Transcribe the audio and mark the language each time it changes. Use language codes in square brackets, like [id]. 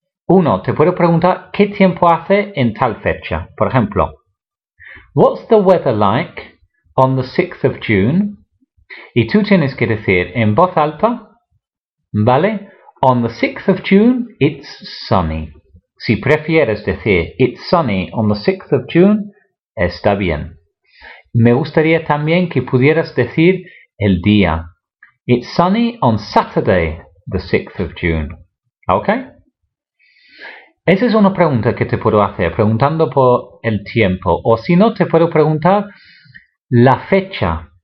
[es] Uno, te puedo preguntar qué tiempo hace en tal fecha. Por ejemplo, [en] what's the weather like on the 6th of June? [es] Y tú tienes que decir en voz alta, ¿vale? [en] On the 6th of June, it's sunny. [es] Si prefieres decir [en] it's sunny on the 6th of June, está bien. [es] Me gustaría también que pudieras decir el día. [en] It's sunny on Saturday, the 6th of June. ¿Ok? [es] Esa es una pregunta que te puedo hacer, preguntando por el tiempo. O si no, te puedo preguntar la fecha.